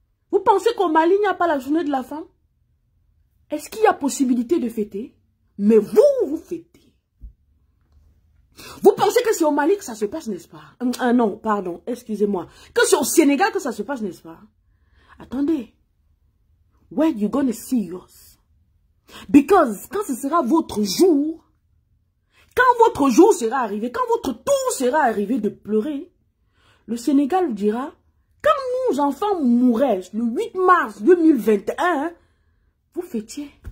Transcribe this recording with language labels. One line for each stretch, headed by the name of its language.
French: Vous pensez qu'au Mali, il n'y a pas la journée de la femme? Est-ce qu'il y a possibilité de fêter? Mais vous, vous fêtez. Vous pensez que c'est au Mali que ça se passe, n'est-ce pas? Non, pardon, excusez-moi. Que c'est au Sénégal que ça se passe, n'est-ce pas? Attendez.
English: Where you gonna see yours? Because
French: quand ce sera votre jour, quand votre jour sera arrivé, quand votre tour sera arrivé de pleurer, le Sénégal dira, quand nos enfants mouraient le 8 mars 2021, vous fêtiez.